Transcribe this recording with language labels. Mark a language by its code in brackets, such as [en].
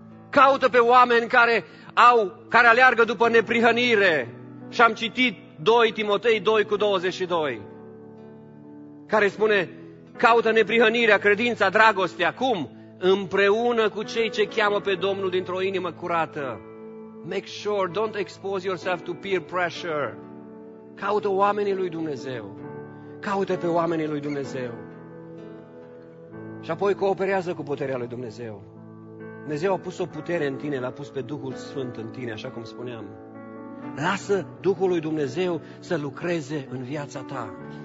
[ro] Caută pe oameni care aleargă după neprihănire. Și am citit 2 Timotei 2:22, care spune, caută neprihănirea, credința, dragostea. Cum? Împreună cu cei ce cheamă pe Domnul dintr-o inimă curată. [en] Make sure, don't expose yourself to peer pressure. [ro] Caută oamenii lui Dumnezeu. Caută pe oamenii lui Dumnezeu. Și apoi cooperează cu puterea lui Dumnezeu. Dumnezeu a pus o putere în tine, l-a pus pe Duhul Sfânt în tine, așa cum spuneam. Lasă Duhul lui Dumnezeu să lucreze în viața ta.